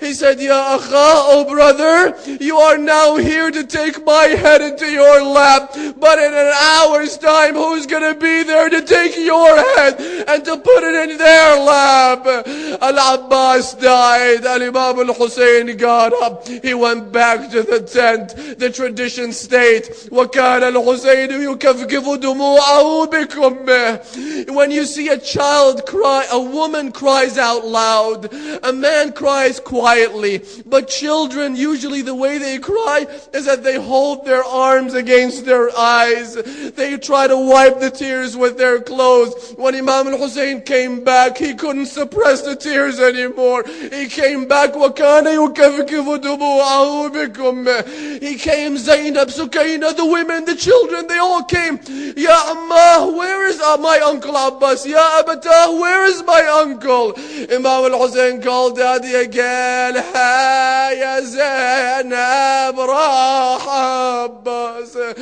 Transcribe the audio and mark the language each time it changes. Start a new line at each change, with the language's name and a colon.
English: He said, Ya Akha, O brother, you are now here to take my head into your lap. But in an hour's time, who's going to be there to take your head and to put it in their lap? Al-Abbas died. Al-Imam al-Hussein got up. He went back to the tent. The tradition states,
Arabic: وَكَانَ الْحُسَيْنُ يُكَفْكِفُ دُمُوعَهُ بِكُمْ.
English: When you see a child cry, a woman cries out loud, a man cries quietly, but children, usually the way they cry is that they hold their arms against their eyes. They try to wipe the tears with their clothes. When Imam al-Hussein came back, he couldn't suppress the tears anymore. He came back,
Arabic: وَكَانَ يُكَفْكِفُ دُمُوعَهُ بِكُمْ.
English: He came, Zainab, Sukaina, the women, the children, they all came. Ya Ammah, where is my uncle Abbas? Ya Abatah, where is my uncle? Imam al-Hussein called daddy again.
Arabic: Ha, ya Zainab, rah Abbas.